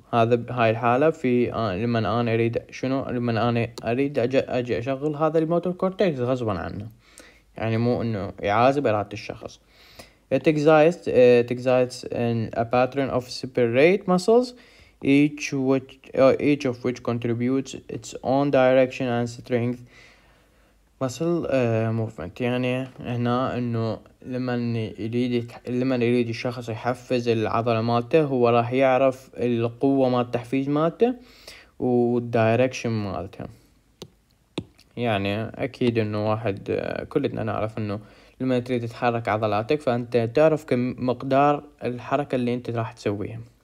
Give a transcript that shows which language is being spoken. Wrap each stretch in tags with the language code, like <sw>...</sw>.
<ar>هذا هاي الحالة في لمن أنا أريد شنو، لمن أنا أريد أجي أشغل هذا الموتور كورتكس غصبا عنه، يعني مو إنه يعازب إرادة الشخص.</ar> <en>It excites a pattern of separate muscles, each of which contributes its own direction and strength muscle movement.</en> <ar>يعني هنا إنه لمن يريد الشخص يحفز العضلة مالته هو راح يعرف القوة مال التحفيز مالته والدايركشن مالته. يعني أكيد إنه واحد كلنا نعرف إنه لما تريد تحرك عضلاتك فأنت تعرف كم مقدار الحركة اللي أنت راح تسويها.</ar>